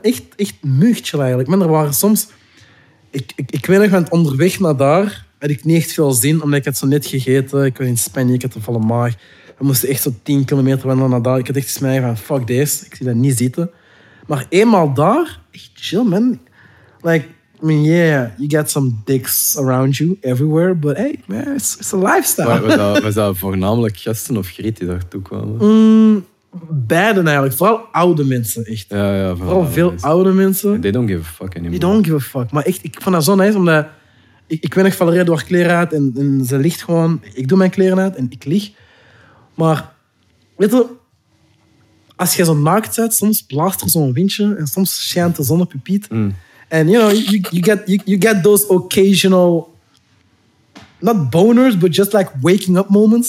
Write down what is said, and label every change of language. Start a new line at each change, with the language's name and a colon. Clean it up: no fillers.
Dutch: Echt muugchill eigenlijk. Maar er waren soms... Ik weet nog, want onderweg naar daar had ik niet echt veel zin, omdat ik had zo net gegeten. Ik was in Spanje, ik had een volle maag. We moesten echt zo 10 kilometer wandelen naar daar. Ik had echt iets mij van,
English: fuck this,
Dutch: ik zie dat niet zitten. Maar eenmaal daar, echt chill, man.
English: Like, I mean, yeah, you get some dicks around you everywhere, but hey, man, it's a lifestyle.
Dutch: Maar was dat voornamelijk gasten of griet die daar toe kwamen? Beiden eigenlijk. Vooral oude mensen, echt. Ja, vooral oude veel mensen. Oude mensen.
English: And they don't give a fuck anymore. They don't give a fuck.
Dutch: Maar echt, ik vond dat zo nice, omdat... Ik ben echt Valerie door kleren uit en ze ligt gewoon... Ik doe mijn kleren uit en ik lig. Maar, weet je... Als je zo naakt bent, soms blaast er zo'n windje en soms schijnt de zon op je piet.
English: En, you know, you get those occasional... Not boners, but just like waking up moments.